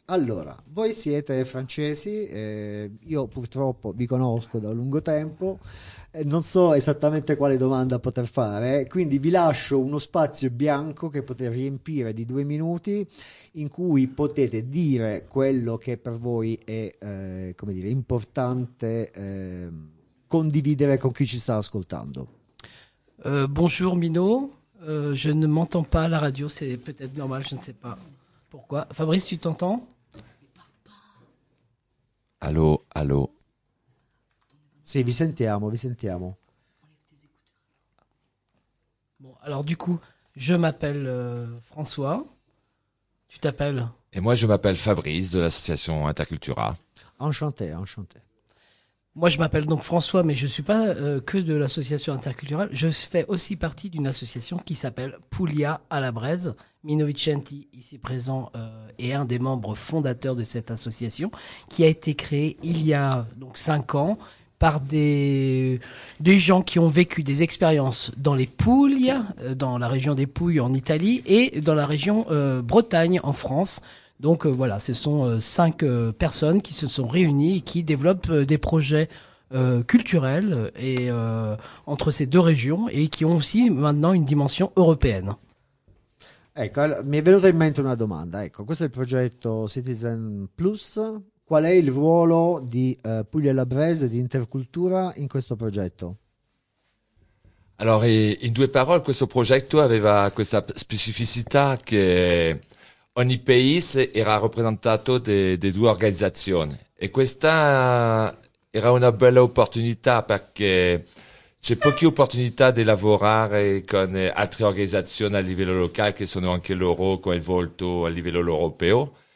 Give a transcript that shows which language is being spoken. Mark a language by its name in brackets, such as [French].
[Italian] Allora, voi siete francesi, io purtroppo vi conosco da lungo tempo, non so esattamente quale domanda poter fare, quindi vi lascio uno spazio bianco che potete riempire di 2 minuti in cui potete dire quello che per voi è, come dire, importante, condividere con chi ci sta ascoltando. [French] Bonjour Mino, je ne m'entends pas à la radio, c'est peut-être normal, je ne sais pas pourquoi. Fabrice, tu t'entends? Allô, allô. [Italian] Sì, vi sentiamo, vi sentiamo. [French] Bon, alors du coup, je m'appelle François. Tu t'appelles? Et moi, je m'appelle Fabrice de l'association Intercultura. Enchanté, enchanté. Moi, je m'appelle donc François, mais je ne suis pas que de l'association interculturelle. Je fais aussi partie d'une association qui s'appelle Puglia à la braise. Mino Vicenti, ici présent, est un des membres fondateurs de cette association qui a été créée il y a donc 5 ans par des gens qui ont vécu des expériences dans les Pouilles, dans la région des Pouilles en Italie et dans la région Bretagne en France. Donc voilà, ce sont 5 personnes qui se sont réunies et qui développent des projets culturels et entre ces 2 régions et qui ont aussi maintenant une dimension européenne. [Italian] Ecco, allora, mi è venuta in mente una domanda. Ecco, questo è il progetto Citizen Plus. Qual è il ruolo di Puglia Labrese di Intercultura in questo progetto? Allora, in due parole, questo progetto aveva questa specificità che ogni paese era rappresentato da 2 organizzazioni e questa era una bella opportunità perché c'è poche opportunità di lavorare con altre organizzazioni a livello locale che sono anche loro coinvolte a livello europeo